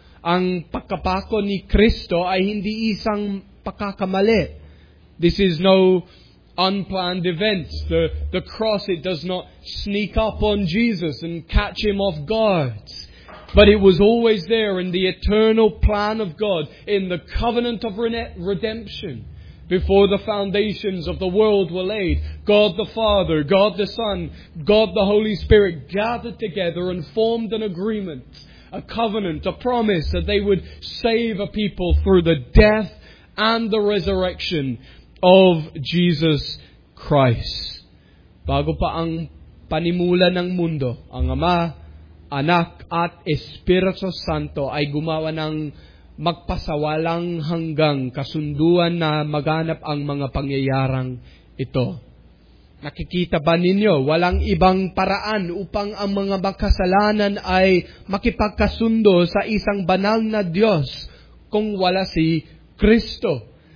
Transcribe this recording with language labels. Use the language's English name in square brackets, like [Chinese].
[Filipino] Ang pagkapako ni Kristo ay hindi isang pagkakamali. [English] This is no unplanned events. The cross, it does not sneak up on Jesus and catch him off guard. But it was always there in the eternal plan of God, in the covenant of redemption. Before the foundations of the world were laid, God the Father, God the Son, God the Holy Spirit gathered together and formed an agreement, a covenant, a promise that they would save a people through the death and the resurrection of Jesus Christ. [Filipino] Bago pa ang panimula ng mundo, ang Ama, Anak at Espiritu Santo ay gumawa ng magpasawalang hanggang kasunduan na maganap ang mga pangyayarang ito. Nakikita ba ninyo, walang ibang paraan upang ang mga makasalanan ay makipagkasundo sa isang banal na Diyos kung wala si Kristo.